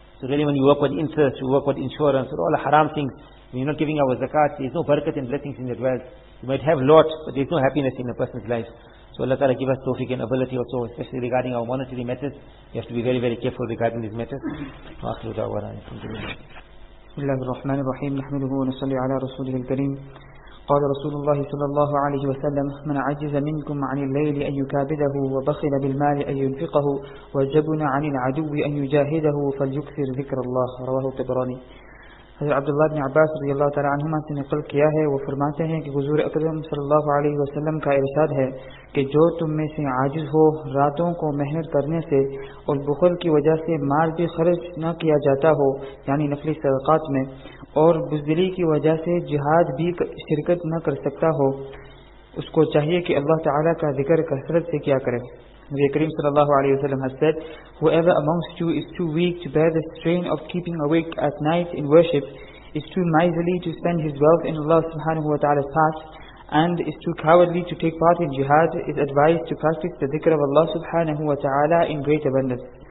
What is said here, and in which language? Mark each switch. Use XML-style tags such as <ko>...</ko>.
<en>So really, when you work with interest, you work with insurance, all the haram things, when you're not giving out zakat, there's no barakat and blessings in that wealth. You might have lots, but there's no happiness in a person's life. So Allah Ta'ala give us tawfiq and ability also, especially regarding our monetary matters. You have to be very, very careful regarding these matters.</en> <ar>وَأَخْلُوا دَعْوَانَا بِسْمِ اللَّهِ الرَّحْمَنِ الرَّحِيمِ نَحْمِدُهُ وَنُصَلِّ عَلَى رَسُولِهِ الْكَرِيمِ قال رسول الله صلى الله عليه وسلم من عجز منكم عن الليل أن يكابده وبخل بالمال أن ينفقه وجبن عن العدو أن يجاهده فليكثر ذكر الله رواه الطبراني.</ar> <ur>حضرت عبد الله بن عباس رضی اللہ تعالی عنہما سے نقل کیا ہے, وہ فرماتے ہیں کہ حضور اکرم صلی اللہ علیہ وسلم کا ارشاد ہے کہ جو تم میں سے عاجز ہو راتوں کو محنت کرنے سے اور بخل کی وجہ سے مال بھی خرچ نہ کیا جاتا ہو یعنی نفلی صدقات میں, اور بزدلی کی وجہ سے جہاد بھی شرکت نہ کر سکتا ہو, اس کو چاہیے کہ اللہ تعالی کا ذکر کثرت سے کیا کرے. نبی کریم صلی اللہ علیہ وسلم</ur> <en>has said, whoever amongst you is too weak to bear the strain of keeping awake at night in worship, is too miserly to spend his wealth in Allah subhanahu wa ta'ala's path, and is too cowardly to take part in jihad, is advised to practice the dhikr of Allah subhanahu wa ta'ala in great abundance.</en>